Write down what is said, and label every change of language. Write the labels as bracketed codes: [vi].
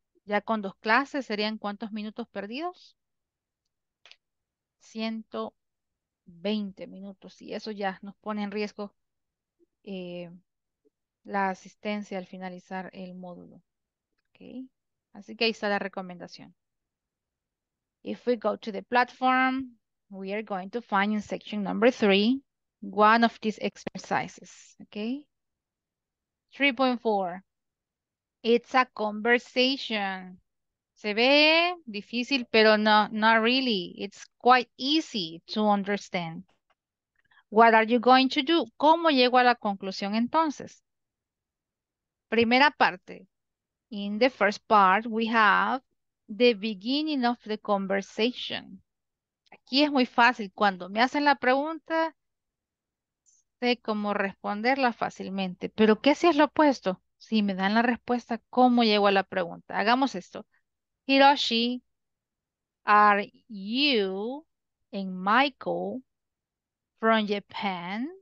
[es] Ya con dos clases, ¿serían cuántos minutos perdidos? 120 minutos. Y eso ya nos pone en riesgo la asistencia al finalizar el módulo. Okay. Así que ahí está la recomendación. [en] If we go to the platform, we are going to find in section number 3, one of these exercises. Okay. 3.4. It's a conversation. [es] Se ve difícil, pero [en] not really. It's quite easy to understand. What are you going to do? [es] ¿Cómo llego a la conclusión entonces? Primera parte. [en] In the first part, we have the beginning of the conversation. [es] Aquí es muy fácil. Cuando me hacen la pregunta, sé cómo responderla fácilmente. ¿Pero qué si es lo opuesto? Si me dan la respuesta, ¿cómo llego a la pregunta? Hagamos esto. [en] Hiroshi, are you and Michael from Japan?